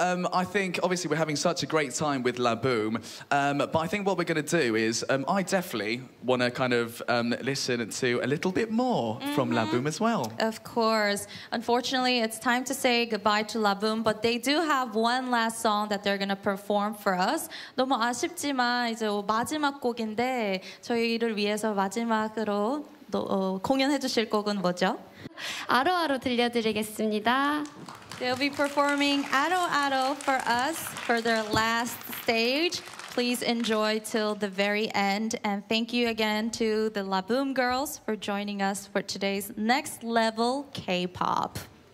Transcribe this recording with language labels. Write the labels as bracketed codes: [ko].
[en] I think, obviously, we're having such a great time with LABOUM. But I think what we're going to do is, I definitely want to kind of listen to a little bit more from LABOUM as well. Of course. Unfortunately, it's time to say goodbye to LABOUM, but they do have one last song that they're going to perform for us. [ko] 너무 아쉽지만 이제 마지막 곡인데 저희를 위해서 마지막으로 공연해 주실 곡은 뭐죠? 아로아로 들려드리겠습니다. [en] They'll be performing AALOW for us for their last stage. Please enjoy till the very end. And thank you again to the LABOUM girls for joining us for today's Next Level K-Pop.